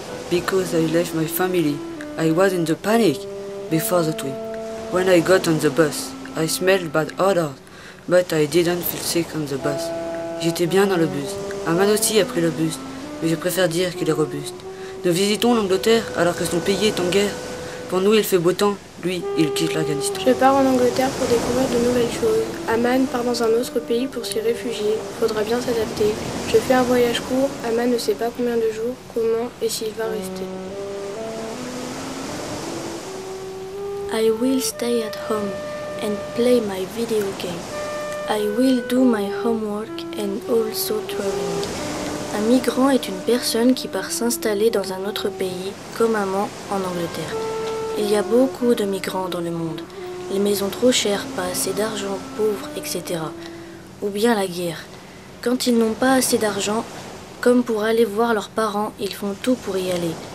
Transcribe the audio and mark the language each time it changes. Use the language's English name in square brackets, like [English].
[English] Because I left my family, I was in the panic before the trip. When I got on the bus, I smelled bad odor, but I didn't feel sick on the bus. [French] J'étais bien dans le bus. Aman aussi a pris le bus, mais je préfère dire qu'il est robuste. Nous visitons l'Angleterre alors que son pays est en guerre. Pour nous, il fait beau temps. Lui, il quitte l'Afghanistan. Je pars en Angleterre pour découvrir de nouvelles choses. Aman part dans un autre pays pour s'y réfugier. Faudra bien s'adapter. Je fais un voyage court. Aman ne sait pas combien de jours, comment et s'il va rester. [English] I will stay at home and play my video game. I will do my homework and also traveling. [French] Un migrant est une personne qui part s'installer dans un autre pays, comme Aman en Angleterre. Il y a beaucoup de migrants dans le monde. Les maisons trop chères, pas assez d'argent, pauvres, etc. Ou bien la guerre. Quand ils n'ont pas assez d'argent, comme pour aller voir leurs parents, ils font tout pour y aller.